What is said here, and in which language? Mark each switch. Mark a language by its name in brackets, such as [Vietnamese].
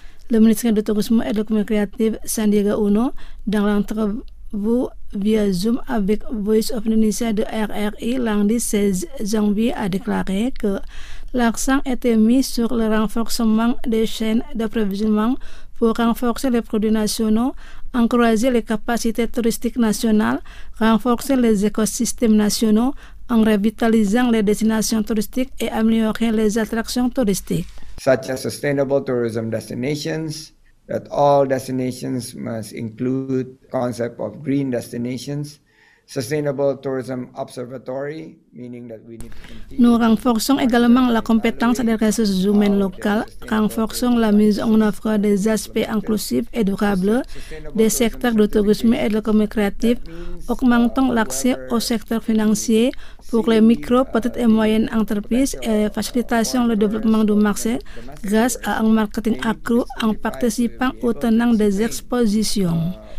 [French] Le ministre du Tourisme et de la Communication, Sandiaga Uno, dans l'entrevue via Zoom avec Voice of Indonesia de RRI lundi 16 janvier a déclaré que l'accent était mis sur le renforcement des chaînes d'approvisionnement pour renforcer les produits nationaux, encourager les capacités touristiques nationales, renforcer les écosystèmes nationaux en revitalisant les destinations touristiques et améliorer les attractions touristiques. [English] Such as sustainable tourism destinations, that all destinations must include concept of green destinations, sustainable tourism observatory, meaning that we need to continue. [French] Nous renforçons également la compétence des ressources humaines locales, renforçons la mise en œuvre des aspects inclusifs et durables des secteurs du tourisme et de la commerce créative, augmentons l'accès au secteur financier pour les micro, petites et moyennes entreprises et facilitons le développement du marché grâce à un marketing accru en participant ou tenant des expositions.